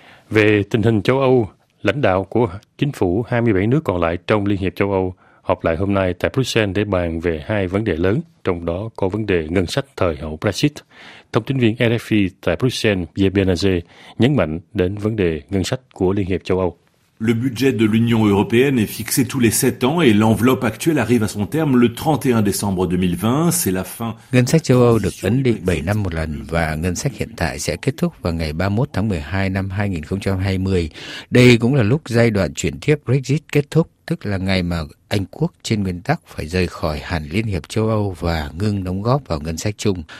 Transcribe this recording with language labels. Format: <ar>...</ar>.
<vi>Về tình hình châu Âu, lãnh đạo của chính phủ 27 nước còn lại trong Liên hiệp châu Âu họp lại hôm nay tại Brussels để bàn về hai vấn đề lớn, trong đó có vấn đề ngân sách thời hậu Brexit. Thông tin viên RFI tại Brussels, Pierre Benazé, nhấn mạnh đến vấn đề ngân sách của Liên hiệp châu Âu.</vi> <fr>Le budget de l'Union européenne est fixé tous les 7 ans et l'enveloppe actuelle arrive à son terme le 31 décembre 2020, c'est la fin.</fr> <vi>Ngân sách châu Âu được ấn định 7 năm một lần và ngân sách hiện tại sẽ kết thúc vào ngày 31 tháng 12 năm 2020. Đây cũng là lúc giai đoạn chuyển tiếp Brexit kết thúc, tức là ngày mà Anh Quốc trên nguyên tắc phải rời khỏi hẳn Liên hiệp châu Âu và ngưng đóng góp vào ngân sách chung.</vi>